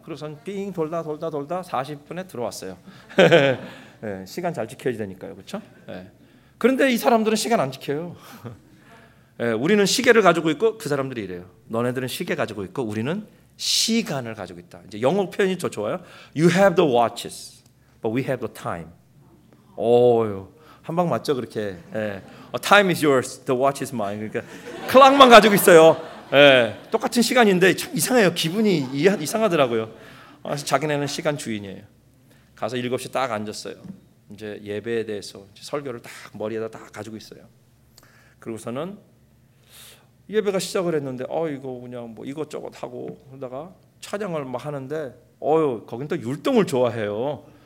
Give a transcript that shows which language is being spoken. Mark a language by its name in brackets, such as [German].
[Korean] 그래서 삥 돌다 40분에 들어왔어요. 네, 시간 잘 지켜야 되니까요. 그렇죠? 네. 그런데 이 사람들은 시간 안 지켜요. 네, 우리는 시계를 가지고 있고 그 사람들이 이래요. 너네들은 시계 가지고 있고 우리는 시간을 가지고 있다. 이제 영어 표현이 더 좋아요. [English] You have the watches, but we have the time. [Korean] 오요. 한방 맞죠, 그렇게. 예. [English] Time is yours, the watch is mine. [Korean] 그러니까 클락만 가지고 있어요. 예. 똑같은 시간인데 참 이상해요. 기분이 이상하더라고요. 그래서 자기네는 시간 주인이에요. 가서 7시 딱 앉았어요. 이제 예배에 대해서 이제 설교를 딱 머리에다 딱 가지고 있어요. 그리고서는 예배가 시작을 했는데 이거 그냥 뭐 이것저것 하고 그러다가 찬양을 막 하는데 거긴 또 율동을 좋아해요.